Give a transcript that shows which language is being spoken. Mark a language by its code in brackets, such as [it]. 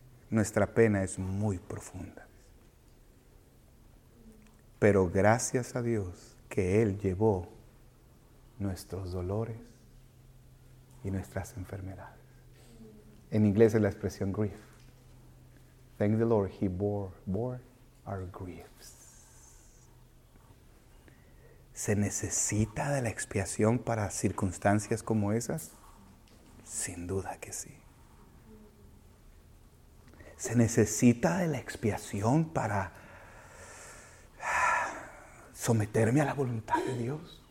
[es] Nuestra pena es muy profunda. Pero gracias a Dios que Él llevó nuestros dolores y nuestras enfermedades. En inglés es la expresión grief. [en] Thank the Lord, He bore our griefs. [es] ¿Se necesita de la expiación para circunstancias como esas? Sin duda que sí. ¿Se necesita de la expiación para someterme a la voluntad de Dios?